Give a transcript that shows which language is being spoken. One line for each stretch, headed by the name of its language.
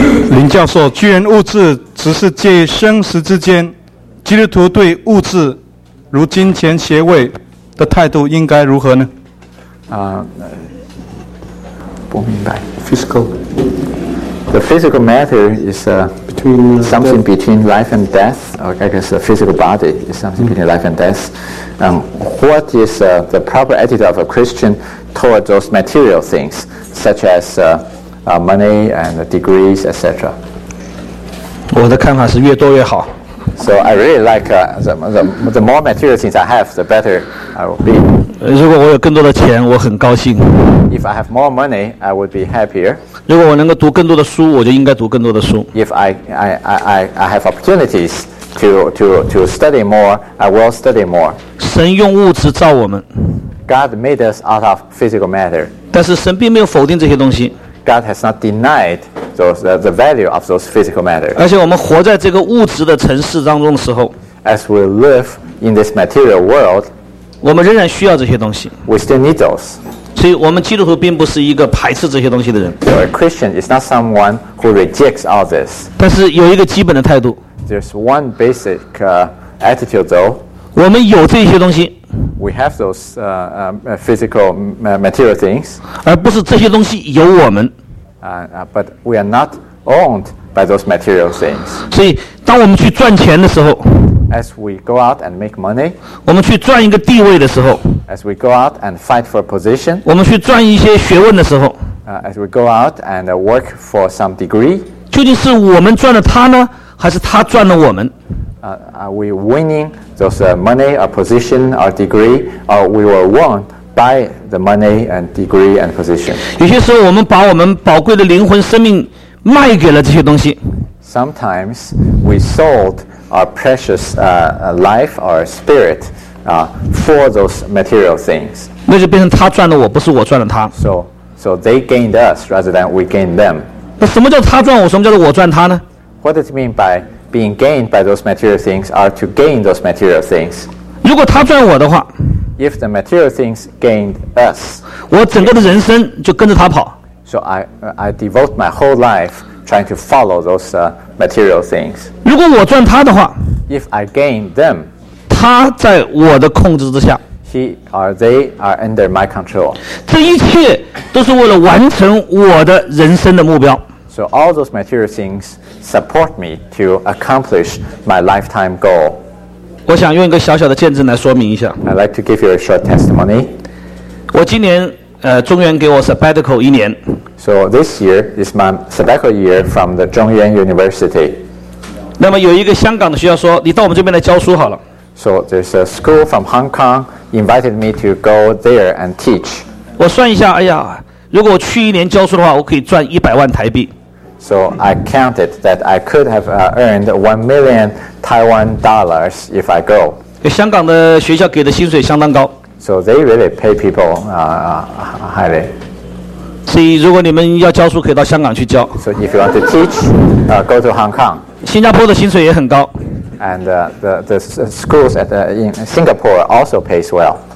Chinese: 林教授，既然物质只是介于生死之间，基督徒对物质如金钱、学位的态度应该如何呢？不明白。
English: Physical. The physical matter is between something between life and death. Or I guess the physical body is something between life and death. What is the proper attitude of a Christian toward those material things, such as money and degrees, etc.
Chinese: 我的看法是越多越好。
English: So I really like the more material things I have, the better I will be.
Chinese: 如果我有更多的钱，我很高兴。
English: If I have more money, I would be happier.
Chinese: 如果我能够读更多的书，我就应该读更多的书。
English: If I have opportunities to study more, I will study more.
Chinese: 神用物质造我们。
English: God made us out of physical matter.
Chinese: 但是神并没有否定这些东西。
English: God has not denied the value of those physical matters.
Chinese: 而且我们活在这个物质的城市当中的时候
English: ，as we live in this material world，
Chinese: 我们仍然需要这些东西。
English: We still need those.
Chinese: 所以我们基督徒并不是一个排斥这些东西的人。
English: So a Christian is not someone who rejects all this.
Chinese: 但是有一个基本的态度。
English: There's one basic attitude, though.
Chinese: 我们有这些东西。
English: We have those physical material things,
Chinese: 而不是这些东西有我们。
English: But we are not owned by those material things.
Chinese: 所以，当我们去赚钱的时候
English: ，as we go out and make money,
Chinese: 我们去赚一个地位的时候
English: ，as we go out and fight for a position,
Chinese: 我们去赚一些学问的时候
English: ，as we go out and work for some degree,
Chinese: 究竟是我们赚了他呢，还是他赚了我们？
English: Are we winning those money, a position, a degree, or we were won by the money and degree and position?
Chinese: 有些时候我们把我们宝贵的灵魂、生命卖给了这些东西。
English: Sometimes we sold our precious life, our spirit, for those material things.
Chinese: 那就变成他赚了我，不是我赚了他。
English: So they gained us rather than we gained them.
Chinese: 那什么叫他赚我？什么叫做我赚他呢
English: ？What does it mean by being gained by those material things are to gain those material things.
Chinese: 如果他赚我的话
English: if the material things gained us,
Chinese: 我整个的人生就跟着他跑。
English: So I devote my whole life trying to follow those material things.
Chinese: 如果我赚他的话
English: if I gain them,
Chinese: 他在我的控制之下
English: they are under my control.
Chinese: 这一切都是为了完成我的人生的目标。
English: So all those material things support me to accomplish my lifetime goal.
Chinese: 我想用一个小小的见证来说明一下。
English: I'd like to give you a short testimony.
Chinese: 我今年中原给我 sabbatical 一年。
English: So this year is my sabbatical year from the Zhongyuan University.
Chinese: 那么有一个香港的学校说，你到我们这边来教书好了。
English: So there's a school from Hong Kong invited me to go there and teach.
Chinese: 我算一下，哎呀，如果我去一年教书的话，我可以赚100万台币。
English: So I counted that I could have earned 1 million Taiwan dollars if I go.
Chinese: 香港的学校给的薪水相当高。
English: So they really pay people highly.
Chinese: 所以如果你们要教书，可以到香港去教。
English: So if you want to teach, go to Hong Kong.
Chinese: 新加坡的薪水也很高。
English: And the schools at in Singapore also pays well.